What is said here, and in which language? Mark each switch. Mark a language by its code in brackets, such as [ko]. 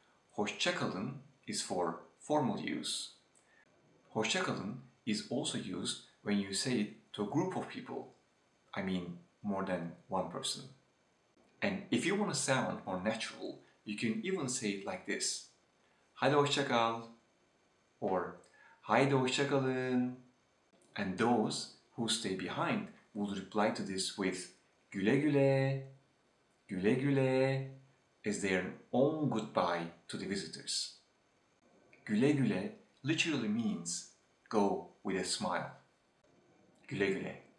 [en] Hoşça kalın is for formal use. Hoşça kalın is also used when you say it to a group of people. I mean, more than one person. And if you want to sound more natural, you can even say it like this. [tr] Haydi hoşça kal, or haydi hoşça kalın. [en] And those who stay behind would reply to this with güle güle, güle güle, as their own goodbye to the visitors. Güle güle literally means go with a smile. Güle güle.